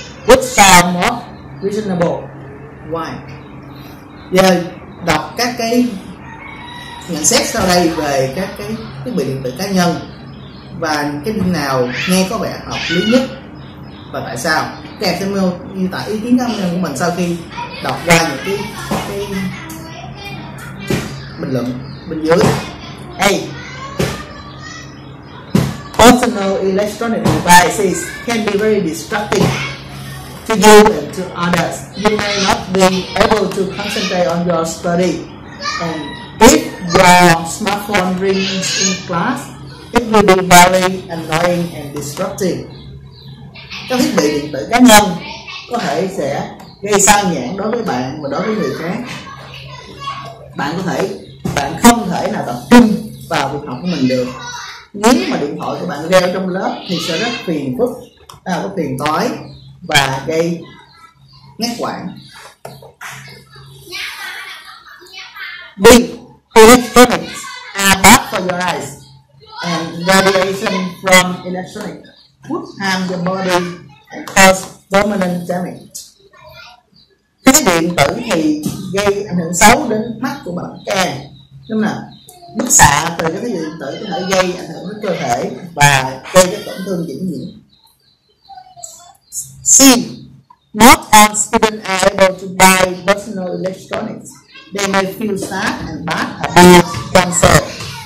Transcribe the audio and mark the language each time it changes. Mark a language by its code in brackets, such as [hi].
[en] Which sound more reasonable? Why? [vi] Giờ đọc các cái nhận xét sau đây về các cái thiết bị điện tử cá nhân và cái bên nào nghe có vẻ hợp lý nhất và tại sao. Các em sẽ mô tả ý kiến cá nhân của mình sau khi đọc ra những cái bình luận bên dưới. [en] A. Personal electronic devices can be very distracting to you and to others. You may not be able to concentrate on your study. And if your smartphone rings in class, it will be very annoying and disruptive. [vi] Các thiết bị điện tử cá nhân có thể sẽ gây sao nhãng đối với bạn và đối với người khác. Bạn không thể nào tập trung vào việc học của mình được. Nếu mà điện thoại của bạn reo trong lớp thì sẽ rất phiền phức, có phiền toái và gây ngắt quãng. [en] B. Electronics are bad for your eyes, and radiation from electronics would harm your body and cause permanent damage. [vi] Cái điện tử thì gây ảnh hưởng xấu đến mắt của bạn càng. Đúng không nào? Bức xạ từ cái điện tử có thể gây ảnh hưởng đến cơ thể và gây cái tổn thương diễn nhiễm. Sin. [en] Not all students are able to buy personal electronics. They may feel sad and bad about themselves.